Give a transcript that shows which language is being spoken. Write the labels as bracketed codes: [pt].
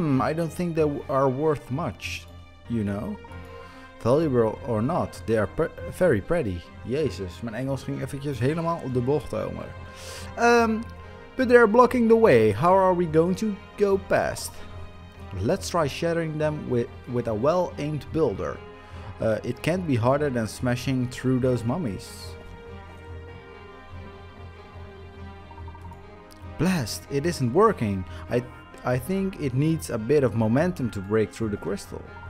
[en] I don't think they are worth much, you know. Valuable or not, they are very pretty. [nl] Jezus, mijn Engels ging eventjes helemaal op de bocht, Homer. [en] But they are blocking the way. How are we going to go past? Let's try shattering them with a well-aimed builder. It can't be harder than smashing through those mummies. Blast, it isn't working. I think it needs a bit of momentum to break through the crystal.